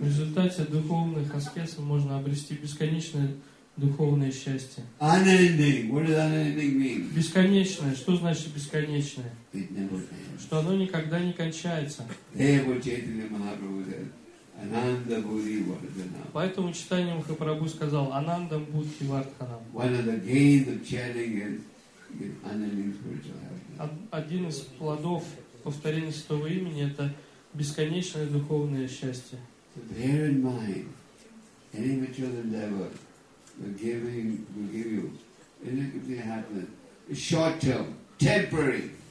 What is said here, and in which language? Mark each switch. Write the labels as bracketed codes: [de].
[ru] В результате духовных аскез можно обрести бесконечное духовное счастье. [en] Unending. What does unending mean? [ru] Бесконечное. Что значит бесконечное? [en] It never ends. [ru] Что оно никогда не кончается. [en] There, what Chaitanya Mahaprabhu said. Ananda Buddhi Vardhanam. [ru] Поэтому читание Махапрабху сказал Ананда Будхи Вардханам. [en] One of the gains of chanting is unending spiritual happiness. [ru] Один из плодов повторения святого имени – это бесконечное духовное счастье. [en] So bear in mind, any material endeavor will give you anything happiness, short term, temporary.